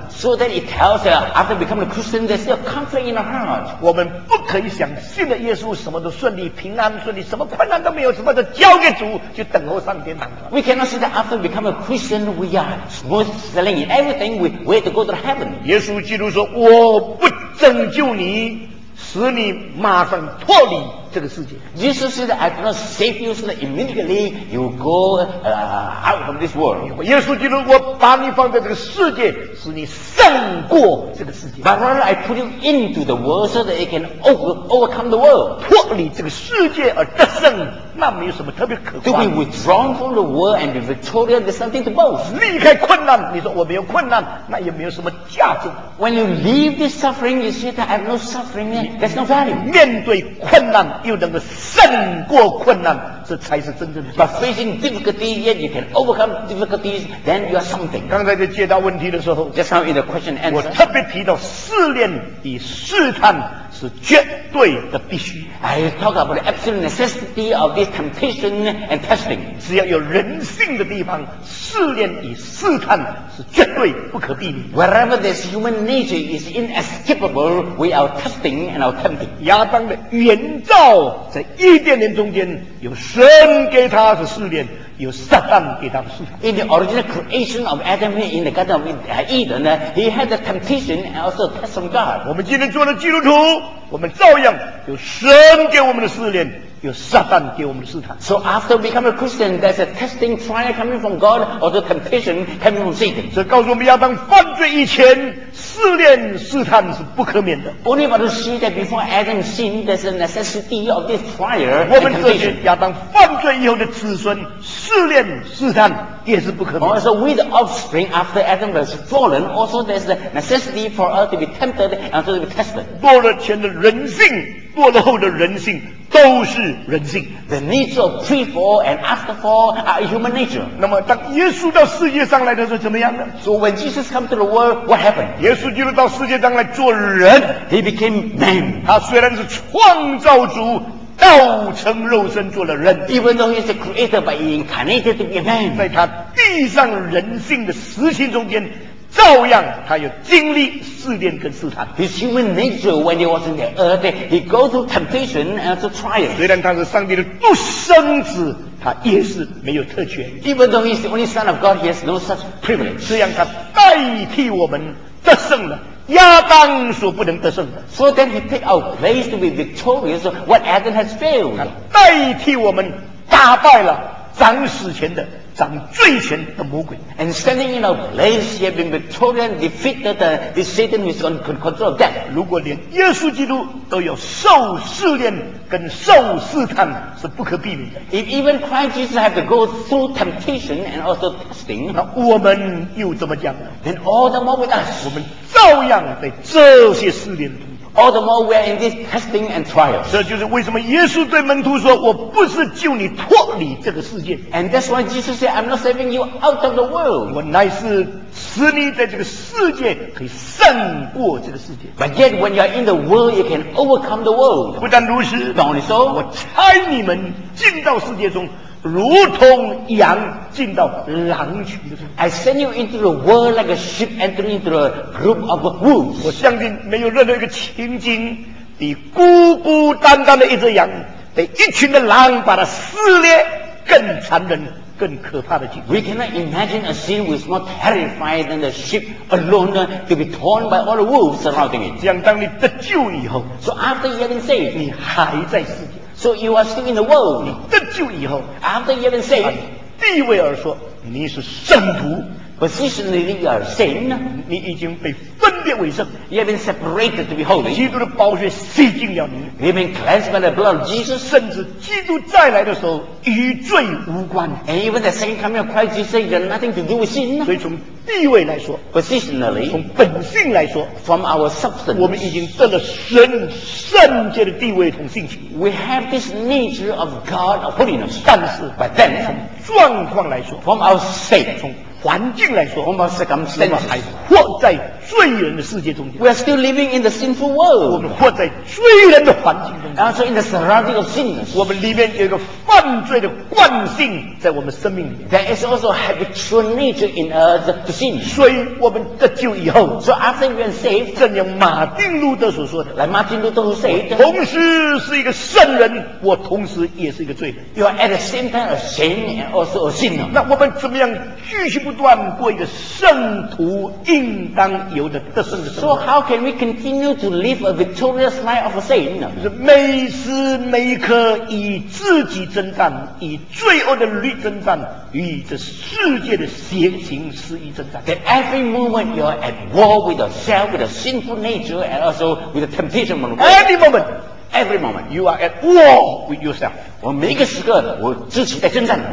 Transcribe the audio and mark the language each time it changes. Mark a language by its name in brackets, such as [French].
[English] So that it tells us, after becoming a Christian, there's still conflict in our heart. [Chinese] 我们不可以想信了耶稣什么都顺利，平安顺利，什么困难都没有，什么都交给主，就等候上天堂。 [English] We cannot say that after becoming a Christian, we are smooth sailing in everything. We wait to go to heaven. [Chinese] 耶稣基督说：“我不拯救你，使你马上脱离。” 这个世界 [English] Jesus said I cannot save you so that immediately you go out from this world [Chinese] 耶稣基督我把你放在这个世界使你胜过这个世界 [English] But rather I put you into the world so that it can overcome the world [Chinese] 脱离这个世界而得胜那没有什么特别可观 [English] To be withdrawn from the world and be victorious there's something to boast [Chinese] 离开困难你说我没有困难那也没有什么价值 [English] When you leave this suffering you say that I have no suffering there's no value [Chinese] 面对困难又能够胜过困难，这才是真正的。 [English] But facing difficulty, yet you can overcome difficulties, then you are something. [Chinese] 刚才在解答问题的时候 [English] ，just now in the question answer, [Chinese] 我特别提到试炼与试探是绝对的必须。 [English] I talk about the absolute necessity of this temptation and testing. [Chinese] 只要有人性的地方，试炼与试探是绝对不可避免。 [English] Wherever this human nature is inescapable, we are testing and are tempting. [Chinese] 亚当的原造在伊甸园中间，有神给他的试炼，有撒旦给他的试探。 [English] In the original creation of Adam in the Garden of Eden, he had the temptation and also test from God. [Chinese] 我们今天做了基督徒，我们照样有神给我们的试炼。有撒旦给我们的试探。 [English] So after become a Christian, there's a testing trial coming from God, or the temptation coming from Satan. [Chinese] 这告诉我们亚当犯罪以前，试炼试探是不可免的。 [English] Only want to see that before Adam sinned, there's a necessity of this trial. [Chinese] 我们这些亚当犯罪以后的子孙，试炼试探也是不可免。 [English] Also, with offspring after Adam was fallen, also there's the necessity for us to be tempted and to be tested. [Chinese] 堕落前的人性，堕落后的人性。都是人性。 [English] The nature of pre-fall and after-fall are human nature. [Chinese] 那么当耶稣到世界上来的时候怎么样呢？ [English] So when Jesus came to the world, what happened? [Chinese] 耶稣基督到世界上来做人。 [English] He became man. [Chinese] 他虽然是创造主，道成肉身做了人。 [English] Even though he is a creator, but he incarnated to be a man. [Chinese] 在他地上人性的实行中间，照样他有经历试炼跟试探。 [English] His human nature when he was in the earth, he go through temptation and to trial. [Chinese] 虽然他是上帝的独生子，他也是没有特权。 [English] Even though he is the only son of God, he has no such privilege. [Chinese] 这样他代替我们得胜了亚当所不能得胜的。 [English] So then he take our place to be victorious of what Adam has failed. [Chinese] 他代替我们打败了掌死权的。掌罪权的魔鬼。 [English] And standing in our place, he had been victorious, defeated the Satan who is on control of death. [Chinese] 如果连耶稣基督都有受试炼跟受试探，是不可避免的。 [English] If even Christ Jesus had to go through temptation and also testing, [Chinese] 那我们又怎么讲呢？ [English] Then all the more with us, [Chinese] 我们照样被这些试炼。 [English] All the more we are in this testing and trials. [Chinese] 这就是为什么耶稣对门徒说，我不是救你脱离这个世界。 [English] And that's why Jesus said, I'm not saving you out of the world. [Chinese] 我乃是使你在这个世界可以胜过这个世界。 [English] But yet when you are in the world, you can overcome the world. [Chinese] 不但如此， [English] Not only so, [Chinese] 我差你们进到世界中，如同羊进到狼群的时 [English] 候。I send you into the world like a sheep entering into a group of wolves. [Chinese] 我相信没有任何一个情景比孤孤单单的一只羊被一群的狼把它撕裂更残忍更可怕的景。 [English] We cannot imagine a scene which is more terrifying than the sheep alone to be torn by all the wolves surrounding it. [Chinese] 这样当你得救以后， [English] So after you have been saved, [Chinese] 你还在世界。 [English] So you are still in the world. [Chinese] 你得救以后， [English] after you have been saved, [Chinese] 地位而说，你是圣徒。 [English] Positionally, you are saint. [Chinese] 你已经被分别为圣。 [English] You have been separated to be holy. [Chinese] 基督的宝血洗净了你。 [English] You have been cleansed by the blood of Jesus. [Chinese] 甚至基督再来的时候，与罪无关。 [English] And even the second coming of Christ, Jesus, you have nothing to do with sin. [Chinese] 所以从地位来说， [English] positionally, [Chinese] 从本性来说， [English] from our substance, [Chinese] 我们已经得了神圣洁的地位同性情。 [English] We have this nature of God of holiness. [Chinese] 但是， [English] but then, [Chinese] 从状况来说， [English] from our state, [Chinese] 从环境来说，我们 circumstances, 还活在罪人的世界中间。 [English] We are still living in the sinful world. [Chinese] 我们活在罪人的环境中间。 [English] And so in the surrounding of sin, [Chinese] 我们里面有一个犯罪的惯性在我们生命里面。 [English] There is also habitual nature in us to sin. [Chinese] 所以我们得救以后， [English] So after we are saved, [Chinese] 正像马丁路德所说的， [English] Like Martin Luther said, [Chinese] 我同时是一个圣人，我同时也是一个罪人。 [English] You are at the same time a saint and also a sinner. [Chinese] 那我们怎么样继续不断过一个圣徒应当有的得胜的生活？ [English] So how can we continue to live a victorious life of a saint? [Chinese] 就是每时每刻以自己征战，以罪恶的律征战，与这世界的邪情私欲征战。 [English] That every moment you are at war with yourself, with a sinful nature, and also with the temptation. Every moment, every moment, you are at war with yourself. [Chinese] 我每个时刻，我自己在征战。